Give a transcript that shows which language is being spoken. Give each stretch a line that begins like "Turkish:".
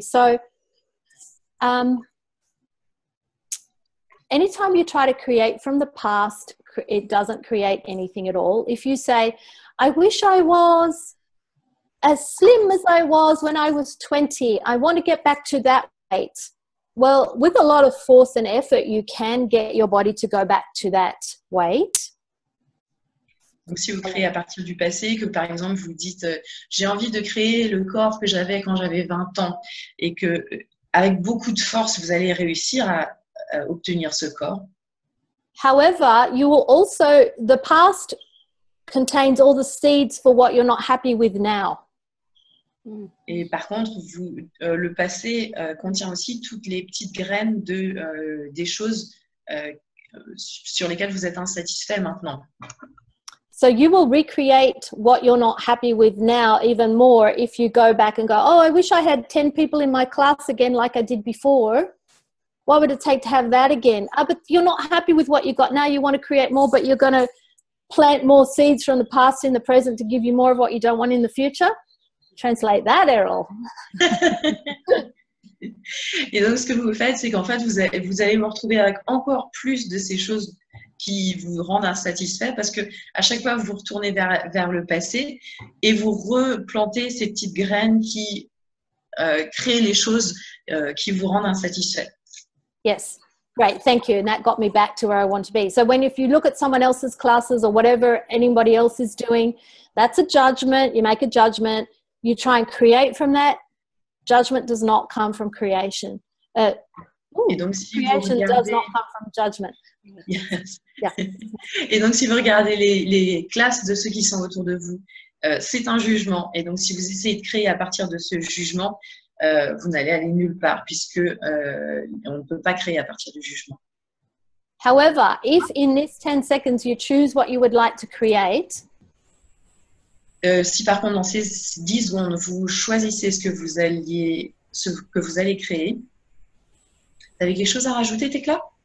English: So anytime you try to create from the past, it doesn't create anything at all. If you say, I wish I was as slim as I was when I was 20, I want to get back to that weight. Well, with a lot of force and effort, you can get your body to go back to that weight.
French: Donc, si vous créez à partir du passé, que par exemple, vous dites, j'ai envie de créer le corps que j'avais quand j'avais 20 ans et que, avec beaucoup de force, vous allez réussir à obtenir ce corps.
English: However, you will also, the past contains all the seeds for what you're not happy with now.
French: Et par contre, vous, le passé contient aussi toutes les petites graines de, des choses sur lesquelles vous êtes insatisfait maintenant.
English: So you will recreate what you're not happy with now even more if you go back and go, oh, I wish I had 10 people in my class again like I did before. What would it take to have that again? Ah, but you're not happy with what you've got now. You want to create more, but you're going to plant more seeds from the past in the present to give you more of what you don't want in the future. Translate that, Eryl.
French: Et donc, ce que vous faites, c'est qu'en fait, vous allez vous retrouver avec encore plus de ces choses qui vous rendent insatisfait parce que à chaque fois, vous retournez vers le passé et vous replantez ces petites graines qui créent les choses qui vous rendent insatisfait.
English: Yes, right, thank you. And that got me back to where I want to be. So when, if you look at someone else's classes or whatever anybody else is doing, that's a judgment. You make a judgment. You try and create from that. Judgment does not come from creation. Creation does not come from judgment. Yes. Yeah.
French: Et donc, si vous regardez les classes de ceux qui sont autour de vous, c'est un jugement. Et donc, si vous essayez de créer à partir de ce jugement, vous n'allez aller nulle part puisque on ne peut pas créer à partir du jugement.
English: However, if in this 10 seconds you choose what you would like to create,
French: si par contre dans ces 10 secondes vous choisissez ce que vous allez créer, vous avez quelque chose à rajouter, Tekla?